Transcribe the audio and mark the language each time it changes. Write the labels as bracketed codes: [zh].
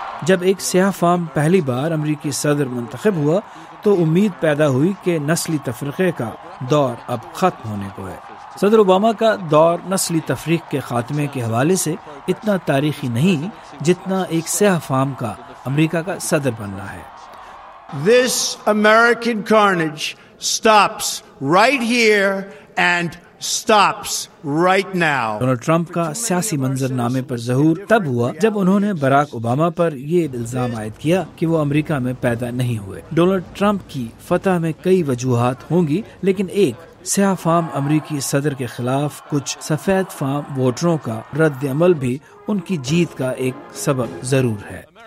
[ur] جب ایک سیاہ فام پہلی بار امریکی صدر منتخب ہوا تو امید پیدا ہوئی کہ نسلی تفرقے کا دور اب ختم ہونے کو ہے. صدر اوباما کا دور نسلی تفریق کے خاتمے کے حوالے سے اتنا تاریخی نہیں جتنا ایک سیاہ فام کا امریکہ کا صدر بننا ہے. [en] This American carnage stops right here and stops right now. [ur] Donald Trump کا سیاسی منظر نامے پر ظہور تب ہوا جب انہوں نے باراک اوباما پر یہ الزام عائد کیا کہ وہ امریکہ میں پیدا نہیں ہوئے. ڈونلڈ ٹرمپ کی فتح میں کئی وجوہات ہوں گی، لیکن ایک سیاہ فام امریکی صدر کے خلاف کچھ سفید فام ووٹروں کا رد عمل بھی ان کی جیت کا ایک سبب ضرور ہے.